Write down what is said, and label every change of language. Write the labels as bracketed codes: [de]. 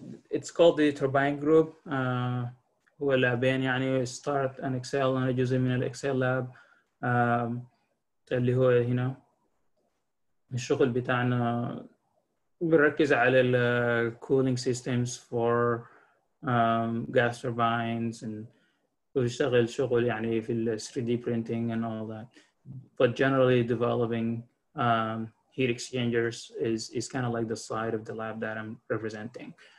[en] It's called the Turbine Group. [ar] هو لابين يعني [en] Start and Excel. [ar] أنا جزء من الإكسل لاب اللي هو هنا. الشغل بتاعنا بيركز على ال [en] cooling systems for gas turbines and [ar] بيشتغل شغل يعني في ال [en] 3D printing and all that, but generally developing heat exchangers is kind of like the side of the lab that I'm representing.